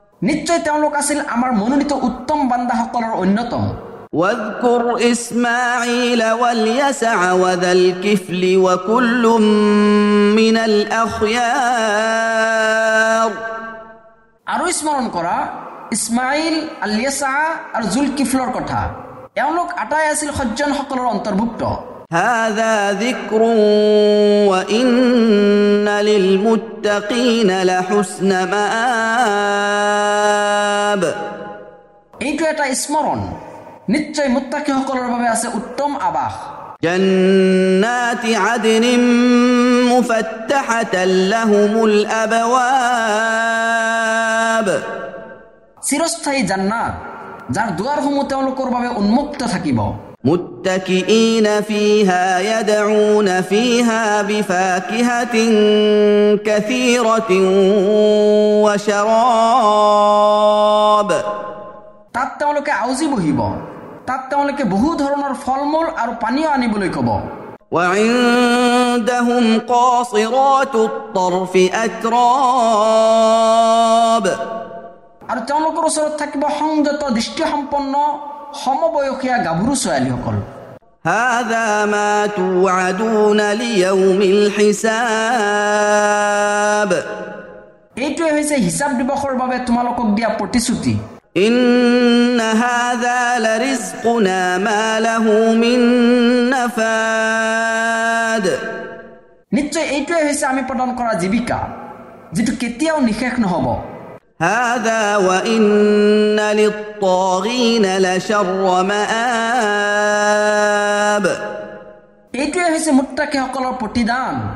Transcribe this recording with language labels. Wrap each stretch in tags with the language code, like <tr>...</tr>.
<as>নিশ্চয় তেওঁলোক আছিল আমাৰ মনোনীত উত্তম বান্দাসকলৰ অন্যতম।</as> <ar>واذكر اسماعيل واليسع وذا الكفل وكل من الاخيار.</ar> <as>আৰু স্মৰণ কৰা ইসমাইল, আলিয়াসع আৰু জুলকিফলৰ কথা, এওঁলোক আটাই আছিল সজ্জনসকলৰ অন্তৰ্ভুক্ত।</as> <ar>هذا ذكر وإن للمتقين لحسن مآب.</ar> <as>এইটো এটা স্মৰণ, নিশ্চয় মুত্তাকীসকলৰ বাবে আছে উত্তম আবাস।</as> <ar>جنات عدن مفتحة لهم الأبواب.</ar> <as>চিৰস্থায়ী জান্নাত যাৰ দুৱাৰসমূহ তেওঁলোকৰ বাবে উন্মুক্ত থাকিব।</as> <ar>متكئين فيها يدعون فيها بفاكهة كثيرة وشراب.</ar> <as>তাত তেওঁলোকে আউজি বহিব, তাত তেওঁলোকে বহু ধৰণৰ ফল মূল আৰু পানীয় আনিবলৈ কব।</as> <ar>وعندهم قاصرات الطرف أتراب.</ar> <as>আৰু তেওঁলোকৰ ওচৰত থাকিব সংযত দৃষ্টি সম্পন্ন সমবয়সীয়া গাভৰু ছোৱালীসকল।</as> <ar>هذا ما توعدون ليوم الحساب.</ar> <as>এইটোৱে হৈছে হিচাপ দিৱসৰ বাবে তোমালোকক দিয়া প্ৰতিশ্ৰুতি।</as> <ar>إن هذا لرزقنا ما له من نفاد.</ar> <as>নিশ্চয় এইটোৱে হৈছে আমি প্ৰদান কৰা জীৱিকা যিটো কেতিয়াও নিশেষ নহব।</as> <ar>هذا وإن للطاغين لشر مآب.</ar> <as>এইটোৱে হৈছে মুত্তাকীসকলৰ প্ৰতিদান।</as>